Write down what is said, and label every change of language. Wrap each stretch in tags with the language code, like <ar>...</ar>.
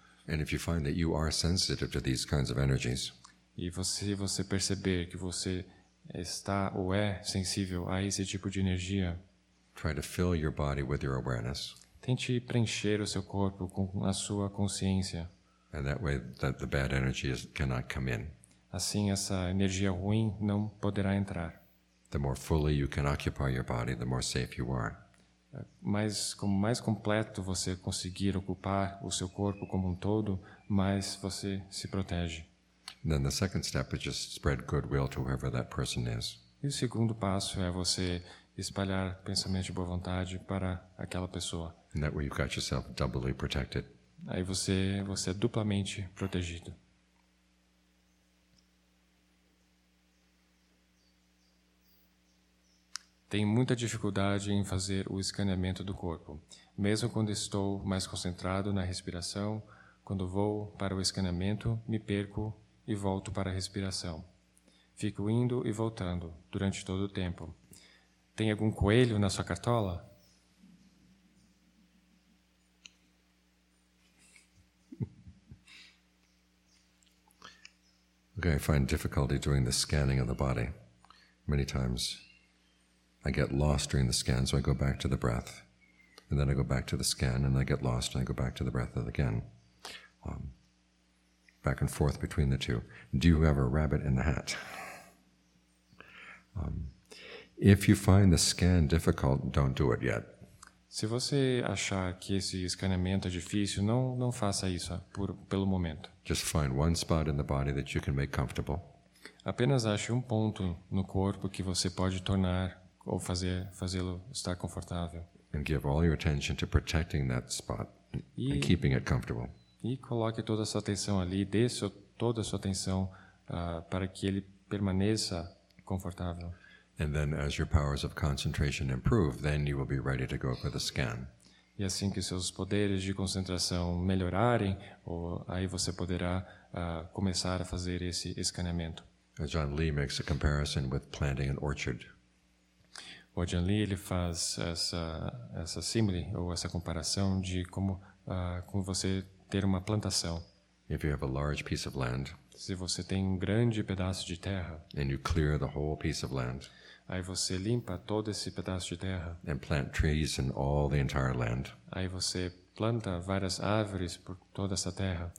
<en>And if you find that you are sensitive to these kinds of energies.</en> <pt>E se você perceber que você está ou é sensível a esse tipo de energia,</pt> <en>try to fill your body with your awareness.</en> <pt>Tente preencher o seu corpo com a sua consciência.</pt> <en>And that way that the bad energy cannot come in.</en> <pt>Assim essa energia ruim não poderá entrar.</pt> <en>The more fully you can occupy your body, the more safe you are.</en> <pt>Mas como mais completo você conseguir ocupar o seu corpo como um todo, mais você se protege.</pt> <en>Then the second step is just spread goodwill to whoever that person is.</en> <pt>E o segundo passo é você espalhar pensamentos de boa vontade para aquela pessoa.</pt> <en>And that way you've got yourself doubly protected.</en> <pt>Aí você é duplamente protegido. Tenho muita dificuldade em fazer o escaneamento do corpo. Mesmo quando estou mais concentrado na respiração, quando vou para o escaneamento, me perco e volto para a respiração. Fico indo e voltando durante todo o tempo. Tem algum coelho na sua cartola?</pt> <en>Okay, I find difficulty doing the scanning of the body. Many times I get lost during the scan, so I go back to the breath. And then I go back to the scan, and I get lost, and I go back to the breath again. Back and forth between the two. Do you have a rabbit in the hat? If you find the scan difficult, don't do it yet.</en> <pt>Se você achar que esse escaneamento é difícil, não faça isso pelo momento.</pt> <en>Just find one spot in the body that you can make comfortable.</en> <pt>Apenas ache ponto no corpo que você pode tornar ou fazê-lo estar confortável.</pt> <en>And give all your attention to protecting that spot and keeping it comfortable.</en> <pt>E coloque toda a sua atenção ali, dê toda a sua atenção para que ele permaneça confortável.</pt> <en>And then as your powers of concentration improve, then you will be ready to go for the scan.</en> <pt>E assim que seus poderes de concentração melhorarem, aí você poderá começar a fazer esse escaneamento.</pt> <en>John Lee makes a comparison with planting an orchard.</en> <pt>O John Lee, ele faz essa simile, ou essa comparação de como você ter uma plantação.</pt> <en>If you have a large piece of land,</en> <pt>se você tem um grande pedaço de terra,</pt> <en>and you clear the whole piece of land,</en> <pt>aí você limpa todo esse pedaço de terra,</pt> <en>and plant trees in all the entire land,</en> <pt>aí você planta várias árvores por toda essa terra,</pt>